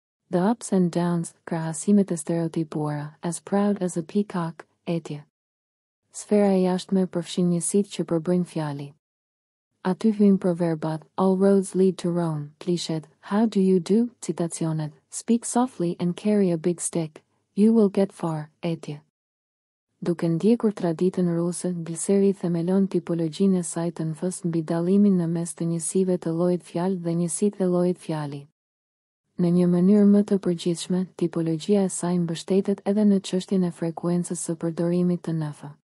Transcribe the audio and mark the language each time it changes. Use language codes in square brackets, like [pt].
[en] The ups and downs, [sq] krahasimet e stereotipuara, [en] as proud as a peacock, [sq] etje. Sfera e jashtme përfshin njësit që përbëjnë fjali. Aty hynë proverbat, [en] all roads lead to Rome, [sq] klishet, [en] how do you do, [sq] citacionet, [en] speak softly and carry a big stick, you will get far, [sq] etje. Duke ndjekur traditën ruse, gliseri themelon tipologjinë e saj të nfës mbi dallimin në mes të njësive të llojit fjalë dhe njësit të llojit fjali. Në një mënyrë më të përgjithshme, tipologjia e saj mbështetet edhe në çështjen e frekuencës së përdorimit të nf.